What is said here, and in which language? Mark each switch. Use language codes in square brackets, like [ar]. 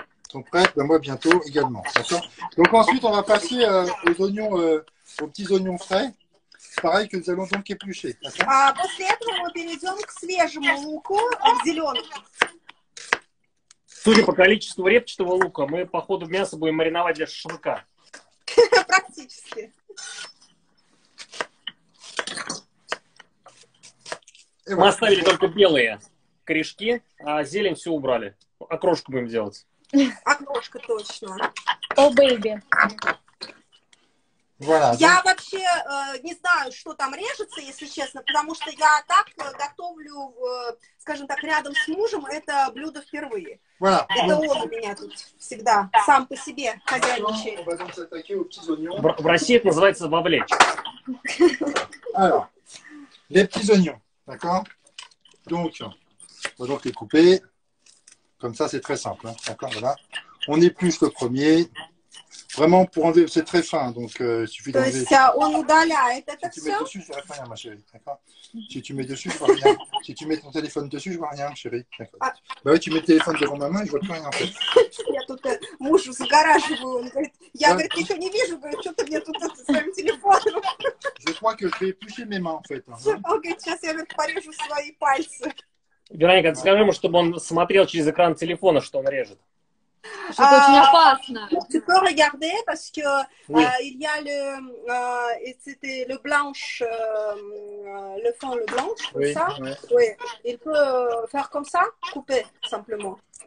[fr] Sont prêtes, ben moi bientôt également. D'accord. Donc ensuite, on va passer aux oignons, aux petits oignons frais. Pareil que nous allons donc éplucher. [ru] После этого мы перейдем к свежему луку, к зеленому. Судя по количеству репчатого лука, мы по ходу мяса будем мариновать для шашлыка. Практически. Мы оставили только белые корешки, а зелень все убрали. Окрошку будем делать. Окрошка, точно. О, бейби. Я вообще не знаю, что там режется, если честно, потому что я так готовлю, скажем так, рядом с мужем это блюдо впервые. [fr] Voilà. [ru] Это он у меня тут всегда сам по себе хозяйничает. В России это называется вовлечь. [fr] Alors, les petits oignons, d'accord? Donc, on va donc les couper. Comme ça, c'est très simple, hein? D'accord, voilà. On épluche le premier. Vraiment pour enlever, c'est très fin, donc il suffit d'enlever. [ru] То есть он удаляет это все? [fr] Si tu mets dessus, je vois rien, ma chérie. D'accord. Si tu mets dessus, je vois rien. Si tu mets ton téléphone dessus, je vois rien, chérie. D'accord. Bah oui, tu mets le téléphone devant ma main, je vois plus rien en fait. [ru] Я тут мужу загораживаю. Он говорит, я говорит, ничего не вижу. Говорит, что ты мне тут со своим телефоном? [fr] Je crois que je vais éplucher mes mains en fait. [ru] Он говорит, сейчас я порежу свои пальцы. Вероника, скажи ему, чтобы он смотрел через экран телефона, что он режет. [fr] Tu peux regarder parce que il y a le c'était le blanche le fond le blanche comme ça. Oui. Il peut faire comme ça, couper simplement.